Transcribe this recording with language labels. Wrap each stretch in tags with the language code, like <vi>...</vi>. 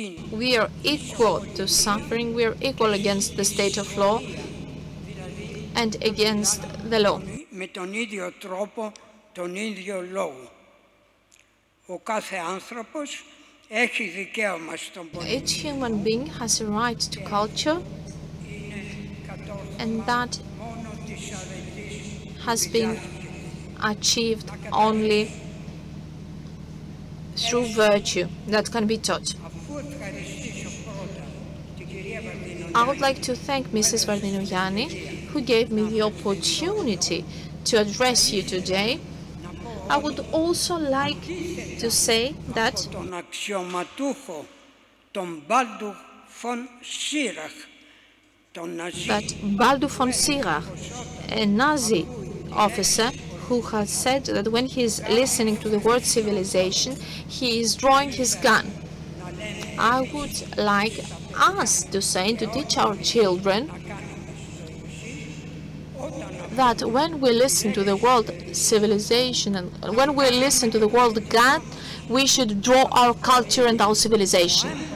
<en>We are equal to suffering, we are equal against the state of law and against the law.</en> <el>Με τον ίδιο τρόπο, τον ίδιο λόγο. Ο κάθε άνθρωπος έχει δικαίωμα στον πολιτισμό.</el> <en>Each human being has a right to culture and that has been achieved only through virtue that can be taught. I would like to thank Mrs. Vardinoyannis, who gave me the opportunity to address you today. I would also like to say that</en> <el>τον αξιωματούχο, τον Μπάλντου φον Σίραχ, τον Ναζί.</el> <en>That Μπάλντου φον Σίραχ, a Nazi officer, who has said that when he is listening to the word civilization, he is drawing his gun. I would like us to say, to teach our children, that when we listen to the word civilization and when we listen to the word God, we should draw our culture and our civilization.</en>